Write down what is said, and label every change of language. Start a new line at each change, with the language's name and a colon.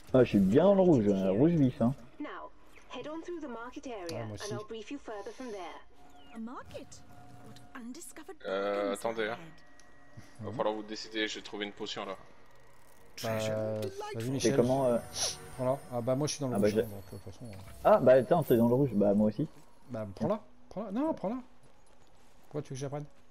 French: Ah je suis bien dans le rouge, hein, rouge vif hein.
English: Now, head on through the market area and I'll brief you further from there. A market? What undiscovered?
French: Attendez. Hein. Va falloir vous décider, j'ai trouvé une potion là. Bah, vas-y, c'est comment voilà. Ah bah moi je suis dans le rouge. Bah, donc, façon, Ah bah attends, t'es dans le rouge, bah moi aussi. Bah prends-la. Non, prends-la. Quoi tu veux que j'apprenne?